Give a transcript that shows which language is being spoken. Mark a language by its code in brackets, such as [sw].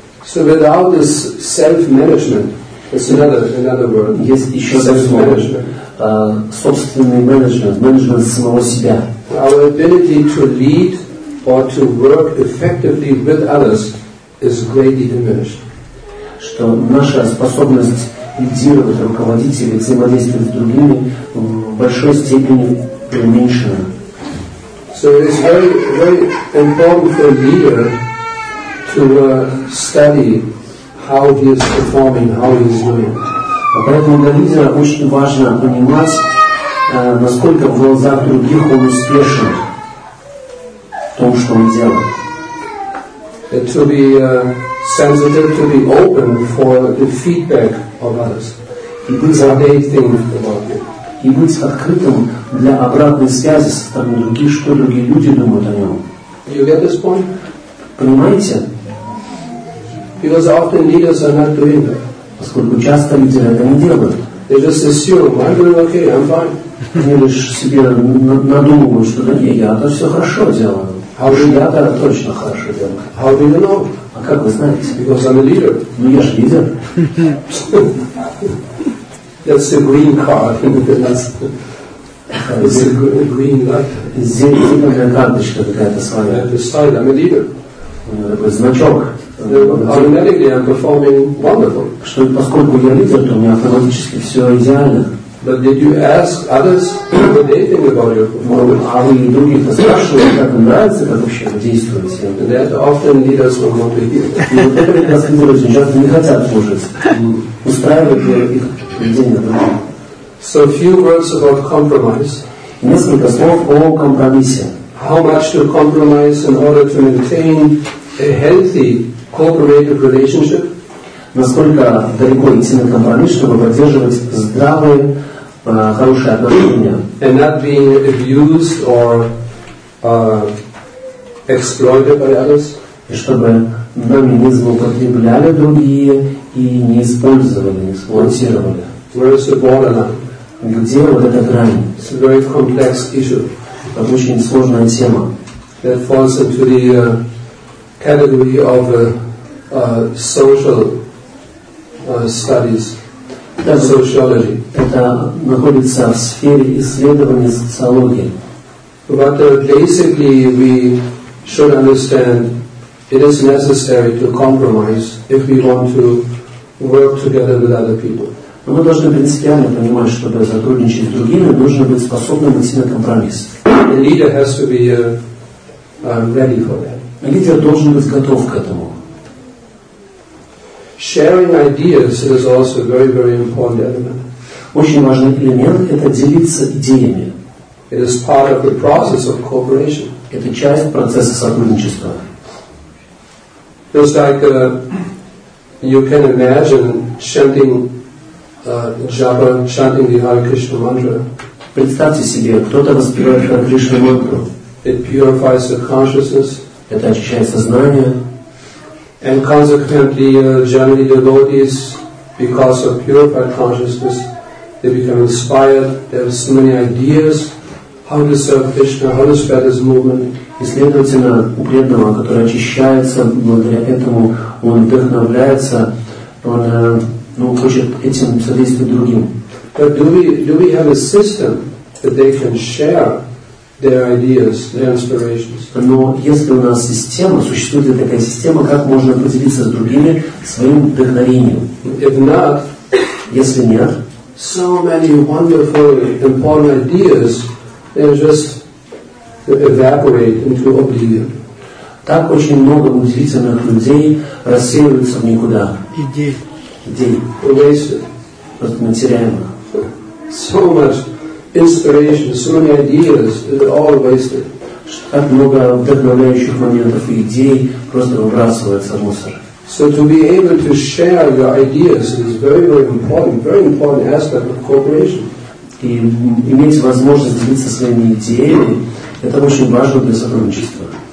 [en] So without this self-management, it's another word. [ru] Есть еще self-management. Собственный менеджмент, менеджмент самого себя. [en] Our ability to lead or to work effectively with others is greatly diminished. [ru] Что наша способность лидировать, руководить или взаимодействовать с другими в большой степени уменьшена. [en] So it is very, very important for a leader to study how he is performing, how he is doing. [ru] Поэтому для лидера очень важно понимать, насколько в глазах других он успешен в том, что он делает. [en] And to be sensitive, to be open for the feedback of others. [ru] И быть за [en] they think about it. [ru] И быть открытым для обратной связи со стороны других, что другие люди думают о нем. [en] You get this point? [ru] Понимаете? [en] Because often leaders are not doing that. [ru] Поскольку часто лидеры это не делают. [en] They just assume, I'm doing okay, I'm fine. [ru] Они лишь себе надумывают, что да не, я-то все хорошо делаю. А уже я-то точно хорошо делаю. [en] How do you know? [ru] А как вы знаете? [en] Because I'm a leader. [ru] Ну я же лидер. [en] That's a green card. It's a green light. [ru] Зеленая карточка какая-то с вами. [en] Yeah, this side, I'm a leader. [ru] Такой значок. [en] Automatically I'm performing wonderful. [ru] Что поскольку я лидер, то у меня автоматически все идеально. [en] But did you ask others what they think about your performance? [ru] А вы других спрашивали, как им нравится, как вообще вы действуете? [en] That often leaders will not hear. [ru] Вот это как раз люди часто не хотят слушать. Устраивает ли их поведение другим? [en] So a few words about compromise. [ru] Несколько слов о компромиссе. [en] How much to compromise in order to maintain a healthy cooperative relationship? [ru] Насколько далеко идти на компромисс, чтобы поддерживать здравые, хорошие отношения. [en] And not being abused or exploited by others. [ru] И чтобы нами не злоупотребляли другие и не использовали, не эксплуатировали. [en] Where is the borderline? [ru] Где вот эта грань? [en] It's a very complex issue. [ru] Это очень сложная тема. [en] That falls into the category of social studies, that sociology. [ru] Это находится в сфере исследования социологии. [en] But basically, we should understand it is necessary to compromise if we want to work together with other people. [ru] Но мы должны принципиально понимать, что для сотрудничать с другими нужно быть способным идти на компромисс. [en] The leader has to be ready for that. [ru] Лидер должен быть готов к этому. [en] Sharing ideas is also a very, very important element. [ru] Очень важный элемент – это делиться идеями. [en] It is part of the process of cooperation. [ru] Это часть процесса сотрудничества. [en] Just like you can imagine chanting Japa, chanting the Hare Krishna mantra. [ru] Представьте себе, кто-то воспевает Хари Кришна мантру. [en] It purifies the consciousness. [ru] Это очищает сознание. [en] And consequently, generally the devotees, because of purified consciousness, they become inspired. They have so many ideas. How to serve Krishna? How to spread His movement? [ru] И следовательно, у преданного, который очищается благодаря этому, он вдохновляется, он хочет этим содействовать другим. [en] But do we have a system that they can share their ideas, their inspirations? [ru] Но если у нас система, существует ли такая система, как можно поделиться с другими своим вдохновением? [en] If not, [ru] если нет, [en] so many wonderful, important ideas, they just evaporate into oblivion. [ru] Так очень много удивительных людей рассеиваются в никуда. Идей. [en] Wasted. [ru] Просто мы теряем. [en] So much inspiration, so many ideas, it's all wasted. [ru] Так много вдохновляющих моментов и идей просто выбрасывается в мусор. [en] So to be able to share your ideas is very, very important aspect of cooperation. [ru] И иметь возможность делиться своими идеями, это очень важно для сотрудничества.